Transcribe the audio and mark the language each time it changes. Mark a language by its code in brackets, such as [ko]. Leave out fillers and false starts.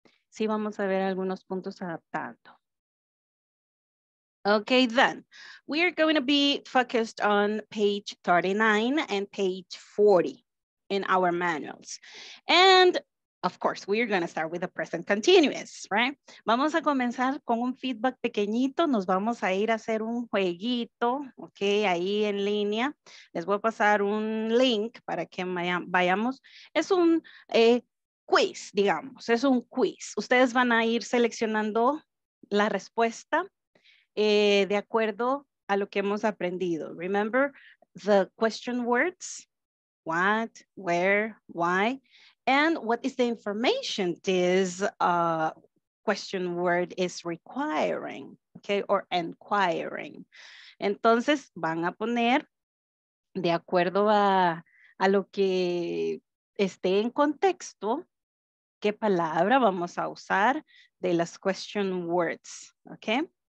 [es] Sí, vamos a ver algunos puntos adaptando. [en] Okay, then, we are going to be focused on page 39 and page 40 in our manuals. And of course, we are going to start with the present continuous, right? [es] Vamos a comenzar con un feedback pequeñito. Nos vamos a ir a hacer un jueguito, okay, ahí en línea. Les voy a pasar un link para que vayamos. Es un quiz, digamos, es un quiz. Ustedes van a ir seleccionando la respuesta de acuerdo a lo que hemos aprendido. [en] Remember the question words, what, where, why. And what is the information this question word is requiring, okay, or inquiring. [es] Entonces, van a poner, de acuerdo a lo que esté en contexto, qué palabra vamos a usar de las question words, okay?